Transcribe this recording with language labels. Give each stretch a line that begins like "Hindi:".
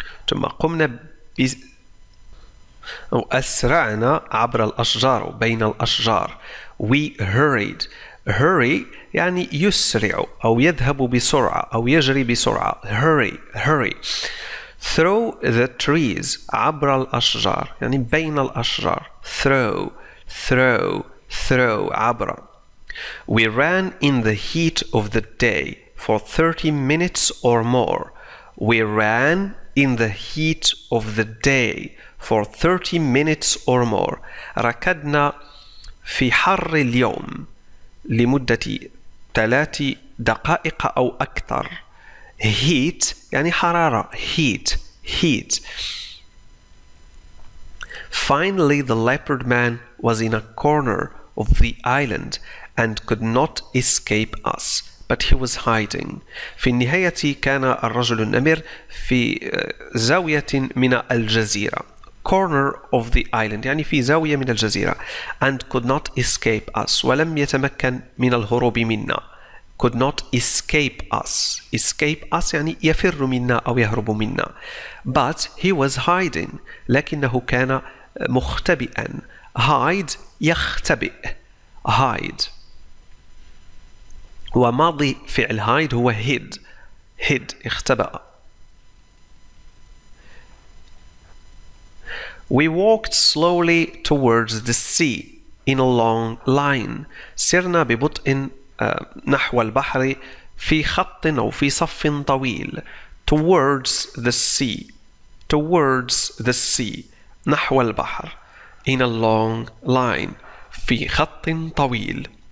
Arabic: ثم قمنا أسرعنا عبر الأشجار, بين الأشجار.
English: We hurried.
Arabic: Hurry يعني يسرع أو يذهب بسرعة أو يجري بسرعة.
English: Hurry, hurry. Through the trees,
Arabic: عبر الأشجار, يعني بين الأشجار.
English: Through, through, through, عبر. We ran in the heat of the day, for 30 minutes or more. We ran in the heat of the day for 30 minutes or more.
Arabic: ركضنا في حر اليوم لمدة 3 دقائق أو أكثر. Heat يعني حرارة. Heat.
English: Finally, the leopard man was in a corner of the island and could not escape us, but he was hiding.
Arabic: في النهاية كان الرجل النمر في زاوية من الجزيرة.
English: Corner of the island
Arabic: يعني في زاوية من الجزيرة.
English: And could not escape us,
Arabic: ولم يتمكن من الهروب منا.
English: Could not escape us.
Arabic: Escape us يعني يفر منا أو يهرب منا.
English: But he was hiding.
Arabic: لكنه كان مختبئا.
English: Hide يختبئ. Hide.
Arabic: وماضي فعل hide هو hid. Hid اختبأ.
English: We walked slowly towards the sea in a long line.
Arabic: سرنا ببطء نحو البحر في خط أو في صف طويل.
English: Towards the sea. Towards the sea.
Arabic: نحو البحر.
English: In a long line.
Arabic: في خط طويل.